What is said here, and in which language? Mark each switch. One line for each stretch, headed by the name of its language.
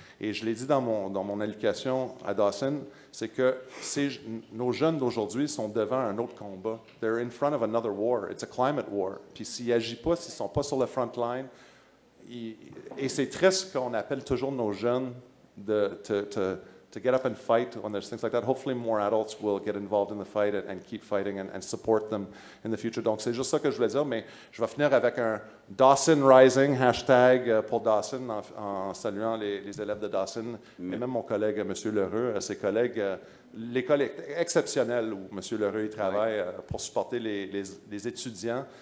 French: Et je l'ai dit dans mon allocation à Dawson, c'est que nos jeunes d'aujourd'hui sont devant un autre combat.
English: They're in front of another war. It's a climate war.
French: Puis s'ils n'agissent pas, s'ils ne sont pas sur le front line, et c'est triste qu'on appelle toujours nos jeunes de, to, to,
English: to get up and fight when there's things like that. Hopefully more adults will get involved in the fight and keep fighting and support them in the future.
French: Donc, c'est juste ça que je voulais dire, mais je vais finir avec un Dawson Rising, hashtag pour Dawson, en saluant les élèves de Dawson, et même mon collègue, M. Lheureux, ses collègues. L'école est exceptionnelle où M. Lheureux y travaille pour supporter les étudiants.